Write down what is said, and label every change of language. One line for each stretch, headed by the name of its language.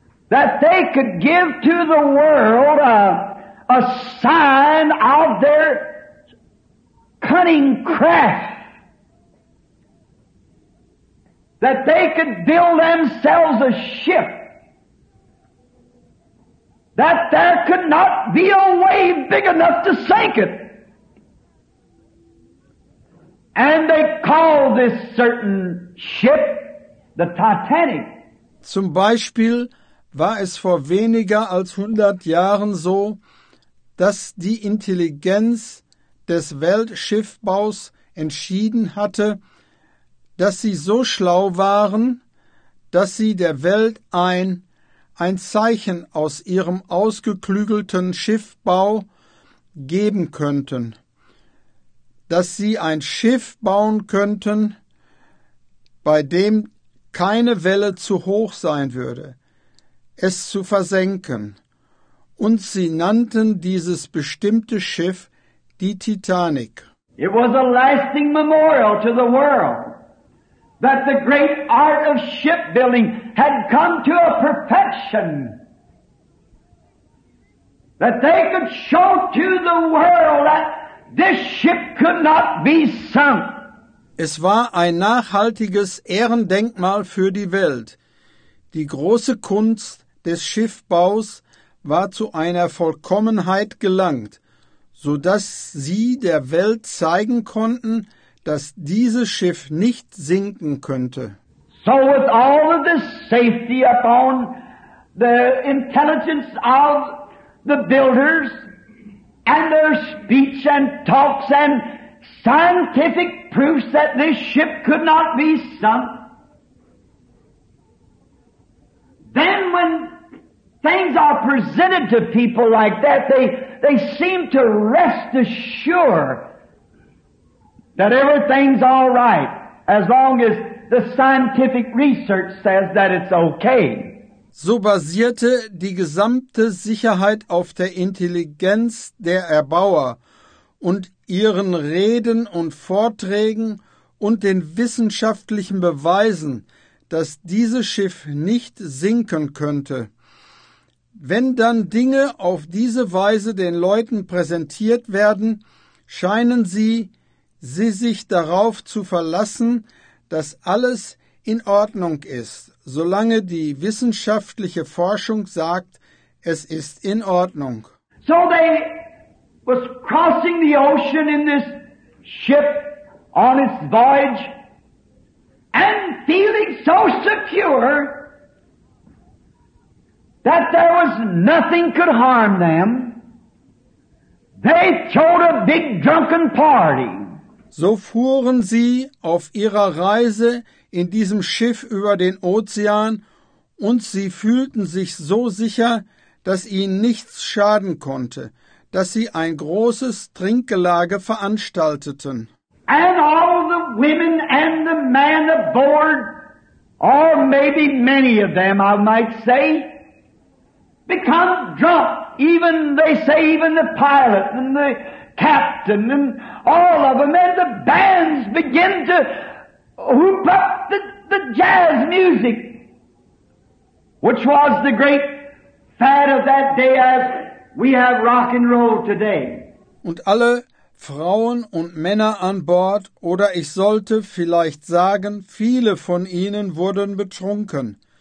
English: that they could give to the world a sign of their cunning craft, that they could build themselves a ship, that there could not be a wave big enough to sink it. And they call this certain ship the Titanic.
German: Zum Beispiel war es vor weniger als 100 Jahren so, dass die Intelligenz des Weltschiffbaus entschieden hatte, dass sie so schlau waren, dass sie der Welt ein Zeichen aus ihrem ausgeklügelten Schiffbau geben könnten, dass sie ein Schiff bauen könnten, bei dem keine Welle zu hoch sein würde, es zu versenken. Und sie nannten dieses bestimmte Schiff die Titanic.
English: It was a lasting memorial to the world that the great art of shipbuilding had come to a perfection, that they could show to the world that this ship could not be sunk.
German: Es war ein nachhaltiges Ehrendenkmal für die Welt. Die große Kunst des Schiffbaus war zu einer Vollkommenheit gelangt, so dass sie der Welt zeigen konnten, dass dieses Schiff nicht sinken könnte.
English: So with all of this safety upon the intelligence of the builders and their speech and talks and scientific proofs that this ship could not be sunk, then when things are presented to people like that, they seem to rest assured that everything's all right, as long as the scientific research says that it's okay.
German: So basierte die gesamte Sicherheit auf der Intelligenz der Erbauer und ihren Reden und Vorträgen und den wissenschaftlichen Beweisen, dass dieses Schiff nicht sinken könnte. Wenn dann Dinge auf diese Weise den Leuten präsentiert werden, scheinen sie sich darauf zu verlassen, dass alles in Ordnung ist, solange die wissenschaftliche Forschung sagt, es ist in Ordnung.
English: So they was crossing the ocean in this ship on its voyage and feeling so secure that there was nothing could harm them, they throwed a big drunken party.
German: So fuhren sie auf ihrer Reise in diesem Schiff über den Ozean und sie fühlten sich so sicher, dass ihnen nichts schaden konnte, dass sie ein großes Trinkgelage veranstalteten.
English: And all the women and the men aboard, or maybe many of them, I might say, become drunk. Even, they say, even the pilot and the captain and all of them, and the bands begin to whoop up the jazz music, which was the great fad of that day as we have rock and roll today.
German: Und alle Frauen und Männer an Bord, oder ich sollte vielleicht sagen, viele von ihnen wurden betrunken.